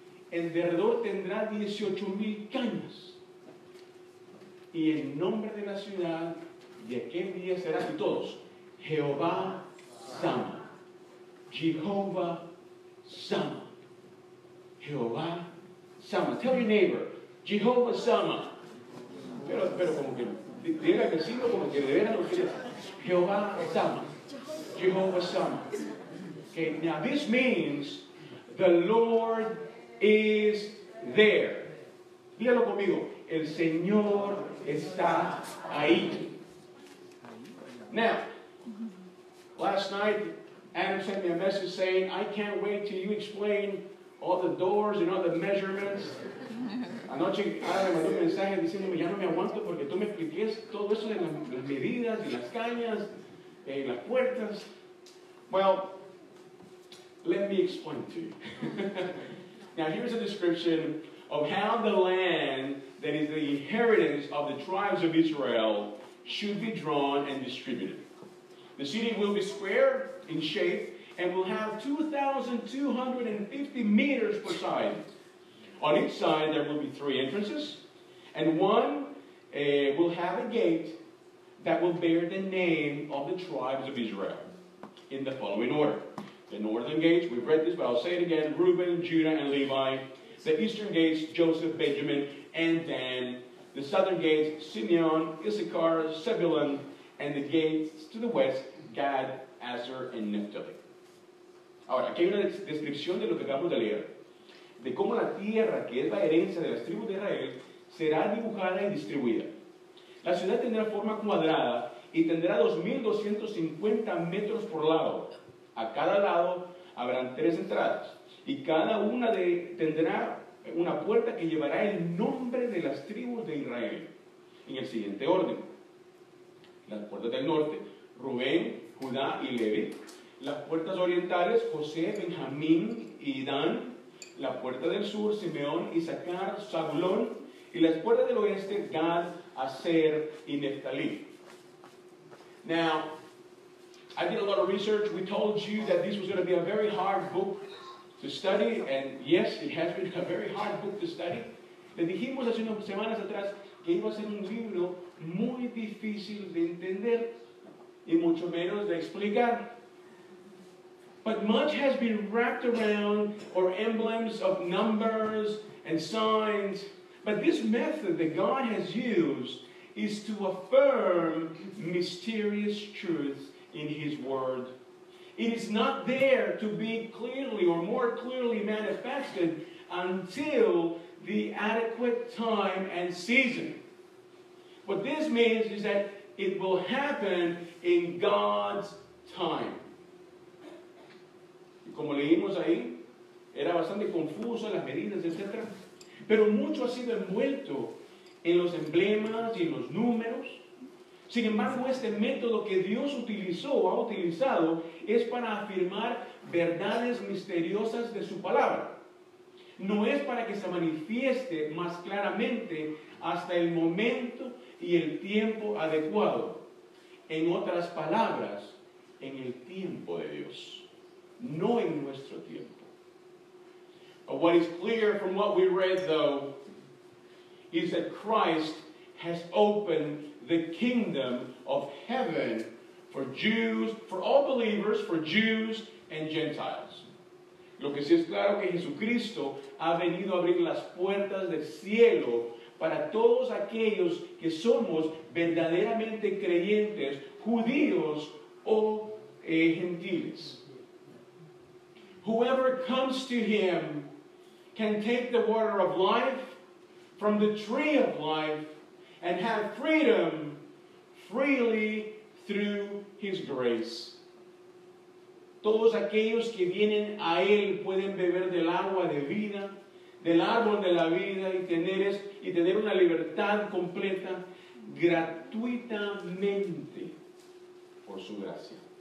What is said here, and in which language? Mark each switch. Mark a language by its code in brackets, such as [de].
[es] En derredor tendrá 18,000 cañas. Y el nombre de la ciudad de aquel día será de todos: Jehová Sama. Jehová Sama. Jehová Sama. [en] Tell your neighbor, [es] Jehová Sama. Pero como que diga que sí, como que de veras lo quiere. Jehová Sama. Jehová Sama. [en] Okay, now this means the Lord is there. [es] Dígalo conmigo. El Señor está ahí. [en] Now, last night, Adam sent me a message saying, I can't wait till you explain all the doors and all the measurements. [es] Anoche, Adam me mandó un mensaje diciéndome, ya no me aguanto porque tú me expliques todo eso de las medidas y las cañas y las puertas. [en] Well, let me explain to you. Now, here's a description of how the land that is the inheritance of the tribes of Israel should be drawn and distributed. The city will be square in shape and will have 2,250 meters per side. On each side, there will be three entrances, and one will have a gate that will bear the name of the tribes of Israel in the following order. The northern gates, we've read this, but I'll say it again, Reuben, Judah, and Levi. The eastern gates, Joseph, Benjamin, and Dan. The southern gates, Simeon, Issachar, Zebulun, and the gates to the west, Gad, Aser, and Naphtali. [es] Ahora, aquí hay una descripción de lo que acabamos de leer. De cómo la tierra, que es la herencia de las tribus de Israel, será dibujada y distribuida. La ciudad tendrá forma cuadrada y tendrá 2,250 metros por lado. A cada lado habrán tres entradas, y cada una tendrá una puerta que llevará el nombre de las tribus de Israel, en el siguiente orden. Las puertas del norte, Rubén, Judá y Leví. Las puertas orientales, José, Benjamín y Dan. La puerta del sur, Simeón, Isaacar, Zabulón. Y las puertas del oeste, Gad, Aser y Neftalí. [en] Now, I did a lot of research. We told you that this was going to be a very hard book to study. And yes, it has been a very hard book to study. [es] Le dijimos hace unas semanas atrás que iba a ser un libro muy difícil de entender y mucho menos de explicar. [en] But much has been wrapped around or emblems of numbers and signs. But this method that God has used is to affirm mysterious truths in His Word. It is not there to be clearly or more clearly manifested until the adequate time and season. What this means is that it will happen in God's time. [es] Y como leímos ahí, era bastante confuso las medidas, etc. Pero mucho ha sido envuelto en los emblemas y en los números. Sin embargo, este método que Dios utilizó o ha utilizado es para afirmar verdades misteriosas de su palabra. No es para que se manifieste más claramente hasta el momento y el tiempo adecuado. En otras palabras, en el tiempo de Dios, no en nuestro tiempo. [en] But what is clear from what we read, though, is that Christ has opened the kingdom of heaven for Jews, for all believers, for Jews and Gentiles. [es] Lo que sí es claro es que Jesucristo ha venido a abrir las puertas del cielo para todos aquellos que somos verdaderamente creyentes, judíos o gentiles. [en] Whoever comes to him can take the water of life from the tree of life and have freedom freely through his grace. [es] Todos aquellos que vienen a él pueden beber del agua de vida, del árbol de la vida, y tener una libertad completa gratuitamente por su gracia.